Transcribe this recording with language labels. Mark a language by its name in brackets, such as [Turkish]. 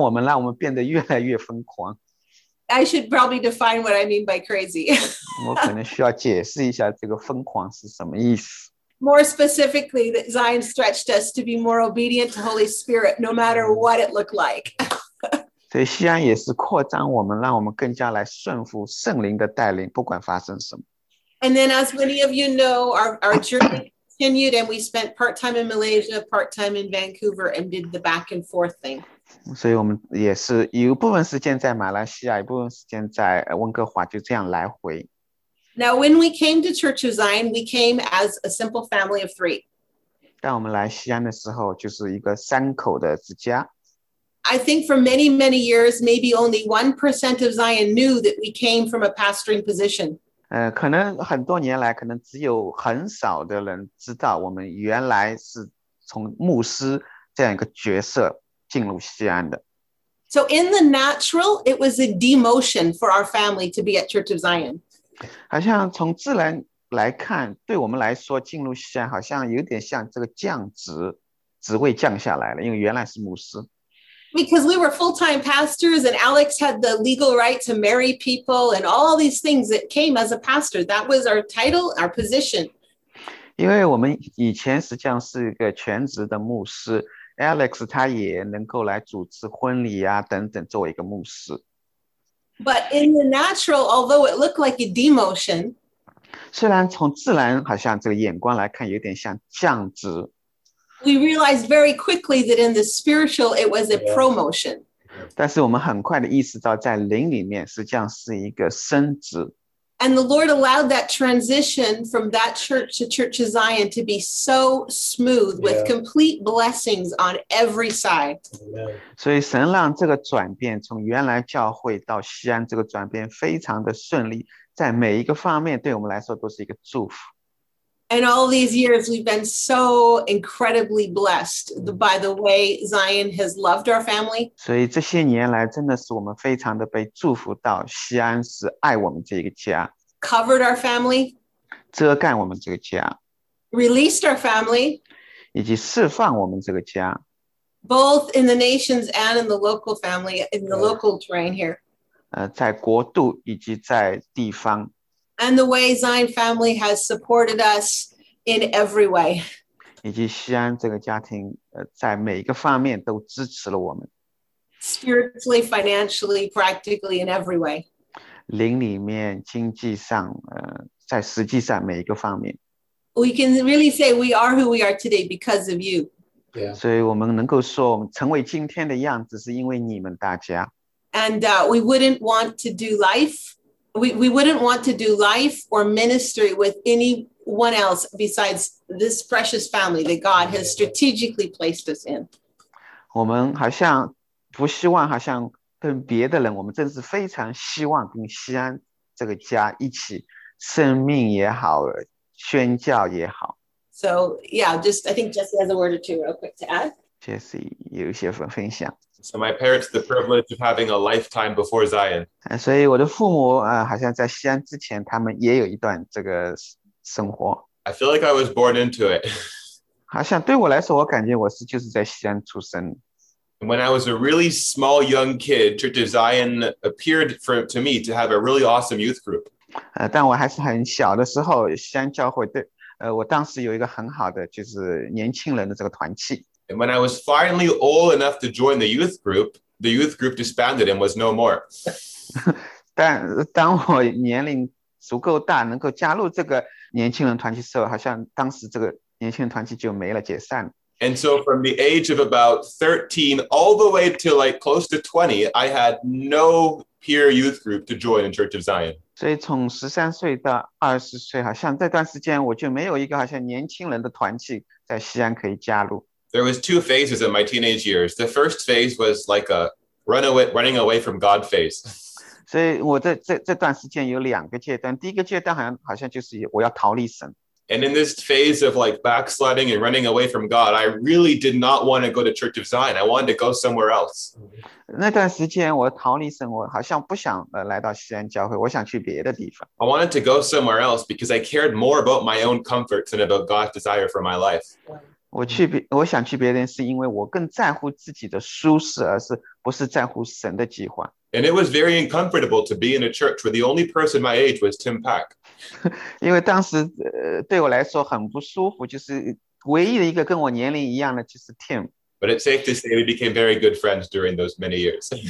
[Chinese] 西安是让我们这个家庭好像扩张我们，让我们变得越来越疯狂。 [English] I should probably define what I mean by crazy. [Chinese] 我可能需要解释一下这个疯狂是什么意思。 [English] More specifically, that Zion stretched us to be more obedient to Holy Spirit, no matter what it looked like. [Chinese] 所以西安也是扩张我们, 让我们更加来顺服圣灵的带领, 不管发生什么。 [English] And then, as many of you know, our journey continued, and we spent part-time in Malaysia, part-time in Vancouver, and did the back-and-forth thing. [Chinese] 所以我们也是有部分时间在马来西亚，一部分时间在温哥华，就这样来回。 [English] Now, when we came to Church of Zion, we came as a simple family of three. [Chinese] 当我们来西安的时候，就是一个三口的之家。 [English] I think for many, many years, maybe only 1% of Zion knew that we came from a pastoring position. [Chinese] 可能很多年来，可能只有很少的人知道我们原来是从牧师这样一个角色进入西安的。 [English] So in the natural, it was a demotion for our family to be at Church of Zion. [Chinese] 好像从自然来看，对我们来说进入西安好像有点像这个降职，职位降下来了，因为原来是牧师。 [English] Because we were full-time pastors and Alex had the legal right to marry people and all these things that came as a pastor. That was our title, our position. [Chinese] 因为我们以前实际上是一个全职的牧师， Alex 他也能够来主持婚礼啊等等作为一个牧师。 [English] But in the natural, although it looked like a demotion, [Chinese] 虽然从自然好像这个眼光来看有点像降职。 [English] We realized very quickly that in the spiritual, it was a promotion. [Chinese] 但是我们很快地意识到在灵里面实际上是一个升职。 [English] And the Lord allowed that transition from that church to Church of Zion to be so smooth with complete blessings on every side. [Chinese] 所以神让这个转变从原来教会到西安这个转变非常的顺利，在每一个方面对我们来说都是一个祝福。 [English] And all these years, we've been so incredibly blessed by the way Zion has loved our family. [Chinese] 所以这些年来真的是我们非常的被祝福到西安是爱我们这个家。 [English] Covered our family. [Chinese] 遮盖我们这个家。 [English] Released our family. [Chinese] 以及释放我们这个家。 [English] Both in the nations and in the local family, in the local terrain here. [Chinese] 在国度以及在地方。 [English] And the way Zion family has supported us in every way. [Chinese] 以及西安这个家庭，在每一个方面都支持了我们。 [English] Spiritually, financially, practically, in every way. [Chinese] 灵里面、经济上，在实际上每一个方面。 [English] We can really say we are who we are today because of you. Yeah. [Chinese] 所以我们能够说，我们成为今天的样子，是因为你们大家。 [English] And we wouldn't want to do life. We wouldn't want to do life or ministry with anyone else besides this precious family that God has strategically placed us in. [Chinese] 我们好像不希望好像跟别的人，我们真是非常希望跟西安这个家一起，生命也好，宣教也好。 [English] So yeah, just I think Jesse has a word or two real quick to add. [Chinese] Jesse 有一些分享。 [English] So my parents, the privilege of having a lifetime before Zion. [Chinese] 所以我的父母好像在西安之前他们也有一段这个生活。 [English] I feel like I was born into it. [Chinese] 好像对我来说我感觉我是就是在西安出生。 [English] When I was a really small young kid, Church of Zion appeared to me to have a really awesome youth group. [Chinese] 但我还是很小的时候西安教会对我当时有一个很好的就是年轻人的这个团契。 [English] And when I was finally old enough to join the youth group disbanded and was no more. [Chinese] 但当我年龄足够大，能够加入这个年轻人团体的时候，好像当时这个年轻人团体就没了，解散了。 [English] And so from the age of about 13 all the way to like close to 20, I had no peer youth group to join in Church of Zion. [Chinese] 所以从13岁到20岁，好像这段时间我就没有一个好像年轻人的团体在西安可以加入。 [English] There was two phases in my teenage years. The first phase was like a running away from God phase. [Chinese] 所以我在这段时间有两个阶段。第一个阶段好像就是我要逃离神。 [English] And in this phase of like backsliding and running away from God, I really did not want to go to Church of Zion. I wanted to go somewhere else. [Chinese] 那段时间我逃离神，我好像不想来到西安教会，我想去别的地方。 [English] I wanted to go somewhere else because I cared more about my own comfort than about God's desire for my life. [Chinese] 我想去别人是因为我更在乎自己的舒适，而是不是在乎神的计划。 [English] And it was very uncomfortable to be in a church where the only person my age was Tim Pak. [Chinese] 因为当时对我来说很不舒服，就是唯一的一个跟我年龄一样的就是 Tim. [English] But it's safe to say we became very good friends during those many years.